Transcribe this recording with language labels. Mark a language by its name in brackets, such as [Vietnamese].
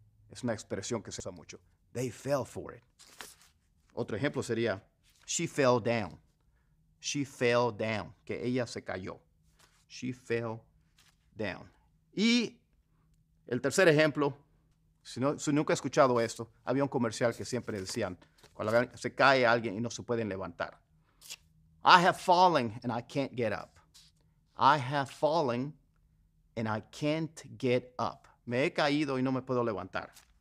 [Spanish] Es una expresión que se usa mucho. [English] They fell for it. [Spanish] Otro ejemplo sería, [English] she fell down. She fell down. [Spanish] Que ella se cayó. [English] She fell down. [Spanish] Y el tercer ejemplo, si nunca has escuchado esto, había un comercial que siempre decían, cuando se cae alguien y no se pueden levantar. [English] I have fallen and I can't get up. I have fallen and I can't get up. [Spanish] Me he caído y no me puedo levantar.